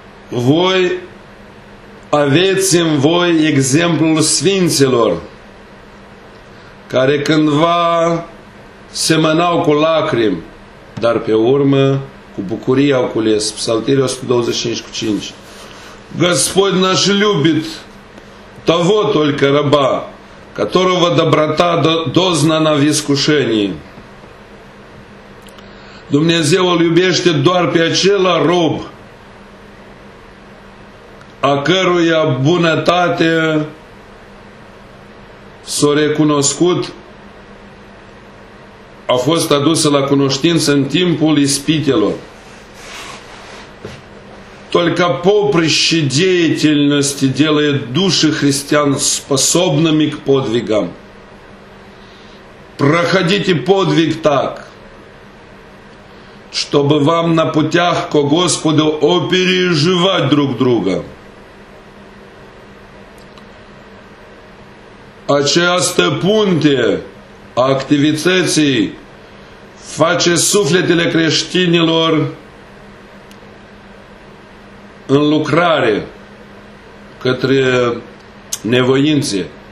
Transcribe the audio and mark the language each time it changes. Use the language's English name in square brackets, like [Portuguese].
[Romanian] Voi aveți în voi exemplul sfinților, care cândva semănau cu lacrimi, dar pe urmă cu bucurie au cules. Psaltirea 125:5. [Russian] Господь наш любит того только раба, которого доброта дознана в искушении. [Romanian] Dumnezeu îl iubește doar pe acela rob, a căruia bunătate s-a recunoscut, a fost adusă la cunoștință în timpul ispitelor. [Russian] Только поприще деятельности делает души христиан способными к подвигам. Проходите подвиг так, чтобы вам на путях ко Господу опереживать друг друга. [Romanian] Această punte a activității face sufletele creștinilor în lucrare către nevoințe.